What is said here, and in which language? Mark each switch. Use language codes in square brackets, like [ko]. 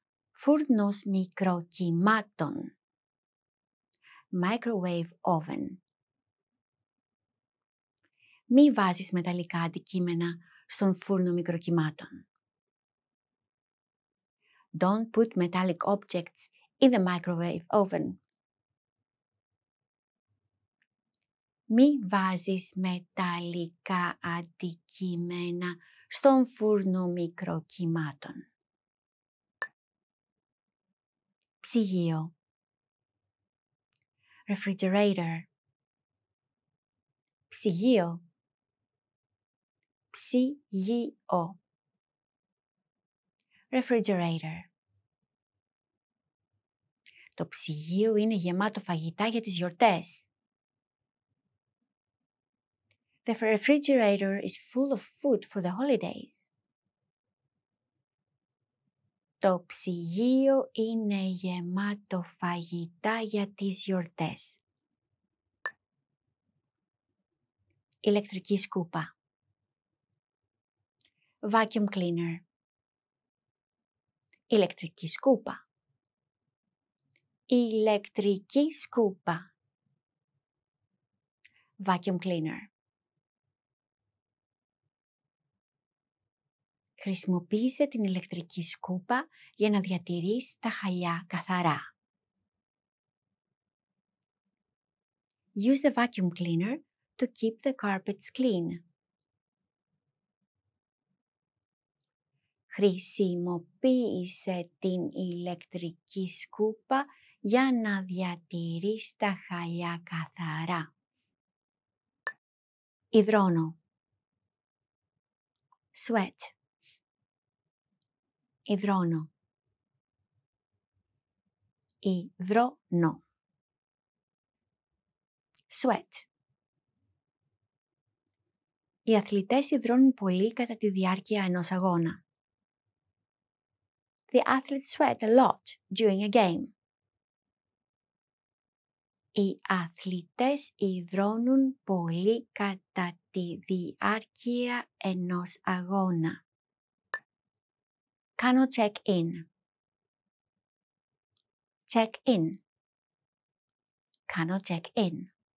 [el] Φούρνος μικροκυμάτων. [en] Microwave oven. [el] Μη βάζεις μεταλλικά αντικείμενα στον φούρνο μικροκυμάτων. [en] Don't put metallic objects in the microwave oven. [el] Μη βάζεις μεταλλικά αντικείμενα στον φούρνο μικροκυμάτων. Ψυγείο. [en] Refrigerator. [el] Ψυγείο. Ψυγείο. [en] Refrigerator. [el] Το ψυγείο είναι γεμάτο φαγητά για τις γιορτές. [en] The refrigerator is full of food for the holidays. [el] Το ψυγείο είναι γεμάτο φαγητά για τις γιορτές. Ηλεκτρική σκούπα. [en] Vacuum cleaner. [el] Ηλεκτρική σκούπα. Ηλεκτρική σκούπα. [en] Vacuum cleaner. [el] Χρησιμοποίησε την ηλεκτρική σκούπα για να διατηρείς τα χαλιά καθαρά. [en] Use the vacuum cleaner to keep the carpets clean. [el] Χρησιμοποίησε την ηλεκτρική σκούπα για να διατηρείς τα χαλιά καθαρά. Υδρώνω. [en] Sweat. [el] Υδρώνω. Υδρώνω. [en] Sweat. [el] Οι αθλητές υδρώνουν πολύ κατά τη διάρκεια ενός αγώνα. [en] The athletes sweat a lot during a game. [el] Οι αθλητές υδρώνουν πολύ κατά τη διάρκεια ενός αγώνα. Κάνω check-in. Check-in. Κάνω check-in.